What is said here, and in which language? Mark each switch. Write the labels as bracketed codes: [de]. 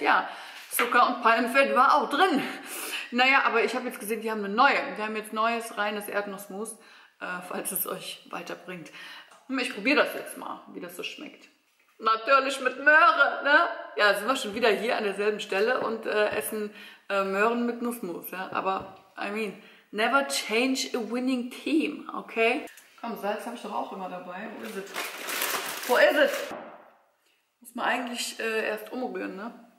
[de] Ja, Zucker und Palmfett war auch drin. Naja, aber ich habe jetzt gesehen, die haben eine neue. Wir haben jetzt neues, reines Erdnussmus, falls es euch weiterbringt. Ich probiere das jetzt mal, wie das so schmeckt. Natürlich mit Möhre, ne? Ja, sind wir schon wieder hier an derselben Stelle und essen Möhren mit Nussmus, ja? [en] Aber, I mean, never change a winning team, okay? [de] Komm, Salz habe ich doch auch immer dabei. Wo ist es? Wo ist es? Muss man eigentlich erst umrühren, ne?